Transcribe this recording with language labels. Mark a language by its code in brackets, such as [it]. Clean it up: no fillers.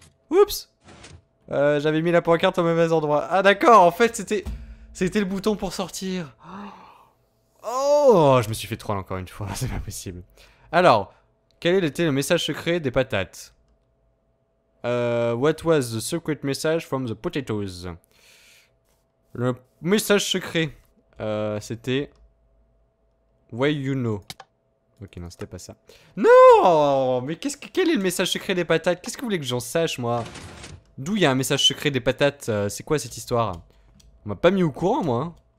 [fr] Oups. J'avais mis la pancarte au mauvais endroit. Ah d'accord. En fait, c'était le bouton pour sortir. Oh, je me suis fait troll encore une fois, c'est pas possible. Alors, quel était le message secret des patates? [en] What was the secret message from the potatoes? [fr] Le message secret, c'était... [en] Why you know? [fr] Ok, non, c'était pas ça. Non! Mais qu'est-ce que, quel est le message secret des patates? Qu'est-ce que vous voulez que j'en sache, moi? D'où il y a un message secret des patates? C'est quoi cette histoire? On m'a pas mis au courant, moi.